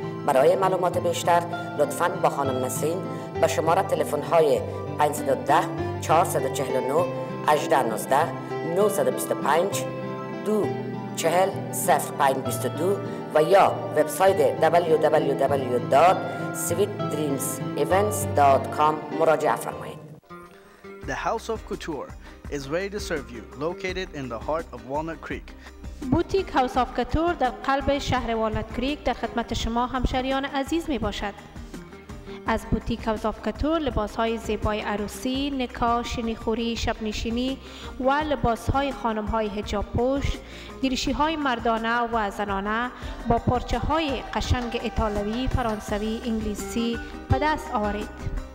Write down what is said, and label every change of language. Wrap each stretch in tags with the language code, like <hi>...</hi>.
<fa>برای معلومات بیشتر لطفاً با خانم نسرین به شماره تلفن‌های 510-449-819-925-240-0522 و یا وبسایت www.sweetdreamsevents.com مراجعه فرمایید.</fa> <en>The House of Couture is ready to serve you, located in the heart of Walnut Creek.</en> <fa>Boutique House of Couture در قلب شهر Walnut Creek در خدمت شما همشهریان عزیز می باشد. از Boutique House of Couture لباس‌های زیبای عروسی، نکاح، شینی‌خوری، شب‌نشینی و لباس‌های خانم‌های حجاب پوش، دریشی‌های مردانه و زنانه با پارچه‌های قشنگ ایتالیایی، فرانسوی، انگلیسی به دست آورید.</fa>